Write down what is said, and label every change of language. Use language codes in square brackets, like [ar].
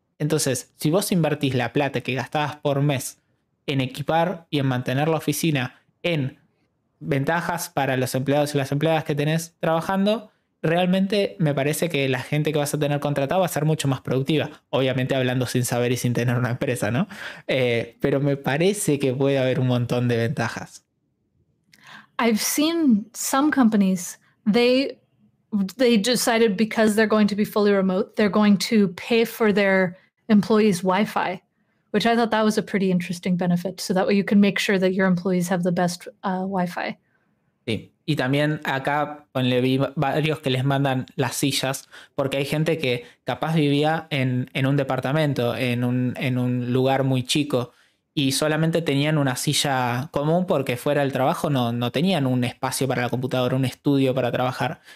[es] Entonces, si vos invertís la plata que gastabas por mes en equipar y en mantener la oficina, en ventajas para los empleados y las empleadas que tenés trabajando, realmente me parece que la gente que vas a tener contratada va a ser mucho más productiva. Obviamente hablando sin saber y sin tener una empresa, ¿no? Pero me parece que puede haber un montón de ventajas. [en] I've seen some companies, they decided because they're going to be fully remote, they're going to pay for their employees' Wi-Fi, which I thought that was a pretty interesting benefit. So that way you can make sure that your employees have the best Wi-Fi. [es] Sí, y también acá le vi varios que les mandan las sillas, porque hay gente que capaz vivía en un departamento, en un lugar muy chico, y solamente tenían una silla común porque fuera del trabajo no tenían un espacio para la computadora, un estudio para trabajar.